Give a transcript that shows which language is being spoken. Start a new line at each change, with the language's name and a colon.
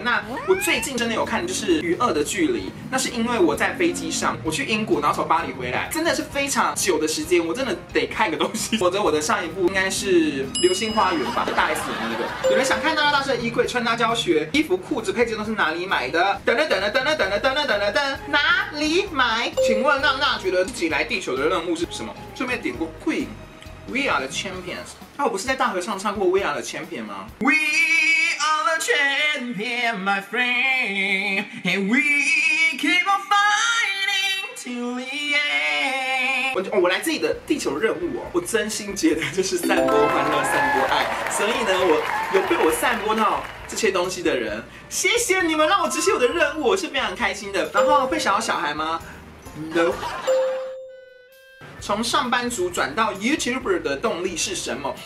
Chinese: 那我最近真的有看就是《与恶的距离》，那是因为我在飞机上，我去英国，然后从巴黎回来，真的是非常久的时间，我真的得看个东西，否则我的上一部应该是《流星花园》吧，大 S 的那个。有人想看娜娜大师的衣柜穿搭教学，衣服、裤子、配件都是哪里买的？等等等等等等等等等等等等等，哪里买？请问娜娜觉得自己来地球的任务是什么？顺便点过 Queen、We Are the Champions。 那、啊、我不是在大合唱唱过 We Are the Champion 吗 ？
English: We are the champion, my friend, and we keep on fighting till the end。
Chinese: 我来自己的地球任务哦，我真心觉得就是散播欢乐，散播爱。所以呢，我有被我散播到这些东西的人，谢谢你们让我执行我的任务，我是非常开心的。然后会想要小孩吗 ？No。从上班族转到 YouTuber 的动力是什么？